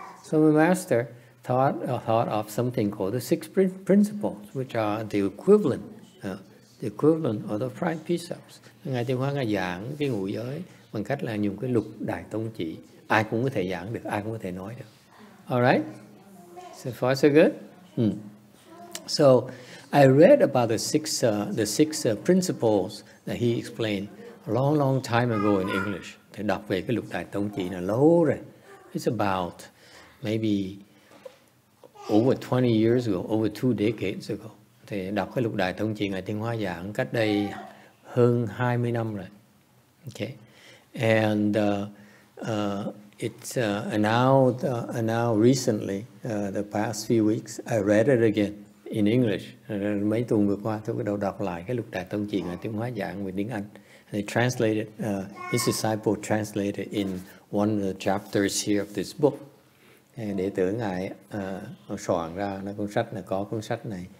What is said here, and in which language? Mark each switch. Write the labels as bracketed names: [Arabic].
[English] So my master thought of something called the six principles, which are the equivalent. The equivalent of the five precepts. [Vietnamese] Ngài Thiền Hóa Ngài giảng cái ngũ giới bằng cách là dùng cái lục đại tông chỉ. Ai cũng có thể giảng được, ai cũng có thể nói được. [English] Alright? So far so good? Mm. So, I read about the six principles that he explained a long, long time ago in English. [Vietnamese] Thầy đọc về cái lục đại tông chỉ là lâu rồi. [English] It's about maybe over 20 years ago, over 2 decades ago. [Vietnamese] Thì đọc cái lục đại thông chỉ Ngài Thiền Hóa giảng cách đây hơn 20 năm rồi. [English] Okay. And the past few weeks I read it again in English. [Vietnamese] Mấy tuần vừa qua tôi bắt đầu đọc lại cái lục đại thông chỉ Ngài Thiền Hóa giảng về tiếng Anh. [English] They translated his disciple translated in one of the chapters here of this book. [Vietnamese] Đệ tử Ngài soạn ra nó cuốn sách là có cuốn sách này.